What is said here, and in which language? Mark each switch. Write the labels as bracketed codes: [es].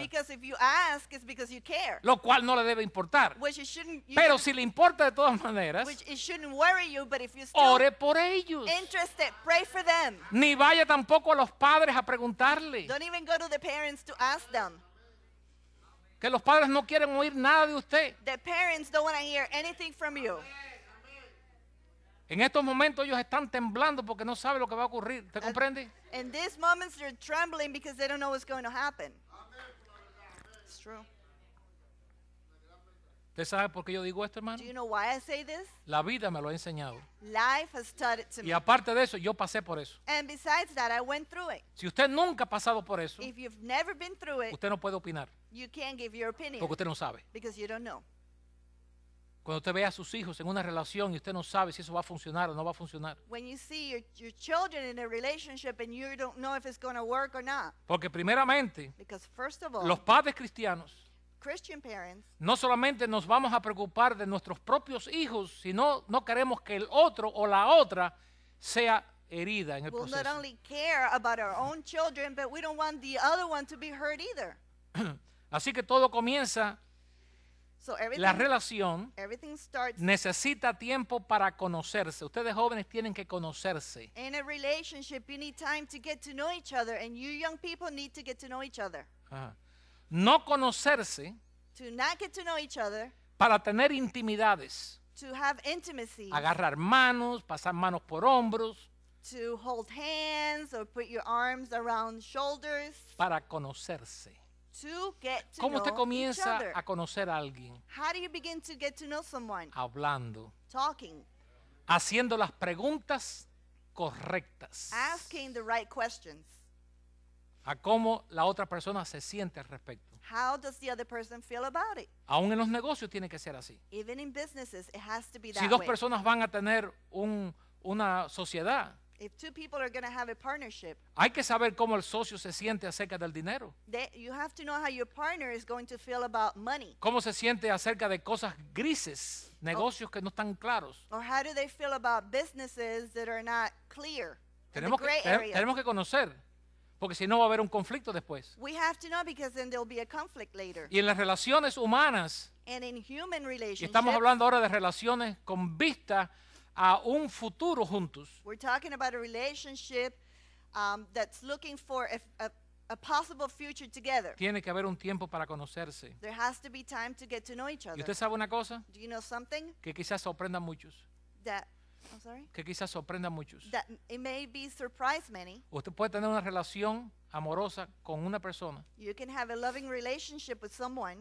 [en] Because if you ask, it's because you care. [es] Lo cual no le debe importar. [en] Which it shouldn't, you [es] pero si le importa de todas maneras. [en] Which it shouldn't worry you, but if you still [es] ore por ellos. [en] Interested, pray for them. [es] Ni vaya tampoco a los padres a preguntarle. [en] Don't even go to the parents to ask them. [es] Que los padres no quieren oír nada de usted. [en] The parents don't want to hear anything from you. [es] En estos momentos ellos están temblando porque no saben lo que va a ocurrir. ¿Te comprende? [en] In these moments they're trembling because they don't know what's going to happen. It's true. [es] ¿Usted sabe por qué yo digo esto, hermano? [en] Do you know why I say this? [es] La vida me lo ha enseñado. [en] Life has taught it to me. [es] Y aparte de eso, yo pasé por eso. [en] And besides that, I went through it. [es] Si usted nunca ha pasado por eso, [en] if you've never been through it, [es] usted no puede opinar. [en] You can't give your opinion. [es] Porque usted no sabe. [en] Because you don't know. [es] Cuando usted ve a sus hijos en una relación y usted no sabe si eso va a funcionar o no va a funcionar. [en] When you see your children in a relationship and you don't know if it's going to work or not. [es] Porque primeramente, [en] because first of all, [es] los padres cristianos, [en] Christian parents, [es] no solamente nos vamos a preocupar de nuestros propios hijos, sino no queremos que el otro o la otra sea herida en el [en] we'll We'll not only care about our own children, but we don't want the other one to be hurt either. [es] Así que todo comienza. [en] So everything, [es] la relación [en] everything starts, [es] necesita tiempo para conocerse. Ustedes jóvenes tienen que conocerse. [en] In a relationship, you need time to get to know each other, and you young people need to get to know each other. [es] No conocerse, [en] to not get to know each other, [es] para tener intimidades, [en] to have intimacy, [es] agarrar manos, pasar manos por hombros, [en] to hold hands or put your arms around shoulders, [es] para conocerse. [en] To get to [es] ¿cómo usted [en] know [es] comienza [en] each other? [es] A conocer a alguien? [en] How do you begin to get to know someone? [es] Hablando. [en] Talking. [es] Haciendo las preguntas correctas. [en] Asking the right questions. [es] A cómo la otra persona se siente al respecto. [en] How does the other person feel about it? [es] Aún en los negocios tiene que ser así. [en] Even in businesses, it has to be that [es] si dos [en] way. [es] Personas van a tener una sociedad, [en] if two people are going to have a partnership, [es] hay que saber cómo el socio se siente acerca del dinero. [en] You have to know how your partner is going to feel about money. [es] Cómo se siente acerca de cosas grises, negocios que no están claros. [en] Or how do they feel about businesses that are not clear? [es] Tenemos que conocer, porque si no va a haber un conflicto después. [en] We have to know because then there'll be a conflict later. [es] Y en las relaciones humanas, [en] and in human relationships, [es] y estamos hablando ahora de relaciones con vista a un futuro juntos. [en] We're talking about a relationship that's looking for a possible future together. [es] Tiene que haber un tiempo para conocerse. [en] There has to be time to get to know each other. [es] ¿Y usted sabe una cosa? [en] Do you know something? [es] Que quizás sorprenda muchos. [en] That, I'm sorry? [es] Que quizás sorprenda muchos. [en] That it may be surprise many. [es] Usted puede tener una relación amorosa con una persona. [en] You can have a loving relationship with someone.